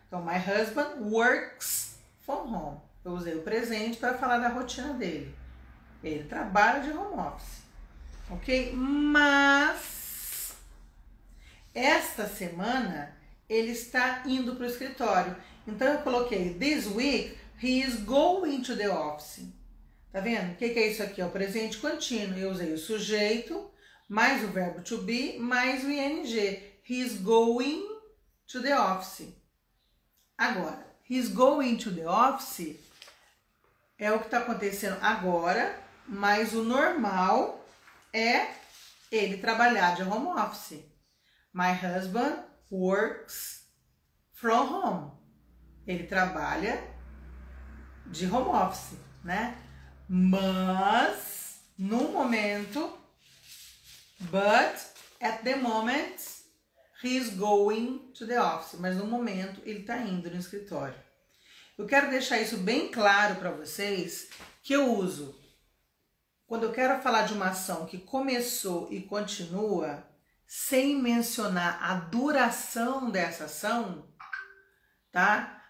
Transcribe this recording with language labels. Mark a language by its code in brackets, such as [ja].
[pt] Então, [en] my husband works from home. [pt] Eu usei o presente para falar da rotina dele. Ele trabalha de home office. Ok? Mas, esta semana, ele está indo para o escritório. Então, eu coloquei, [en] this week, he is going to the office. [pt] Tá vendo? O que é isso aqui? É o presente contínuo. Eu usei o sujeito, mais o verbo to be, mais o ing. [en] He is going to the office. [pt] Agora, [en] he is going to the office [pt] é o que está acontecendo agora, mas o normal é ele trabalhar de home office. [en] My husband works from home. [pt] Ele trabalha de home office, né? Mas, no momento, [en] but at the moment, he is going to the office. [pt] Mas no momento, ele está indo no escritório. Eu quero deixar isso bem claro para vocês, que eu uso, quando eu quero falar de uma ação que começou e continua, sem mencionar a duração dessa ação, tá?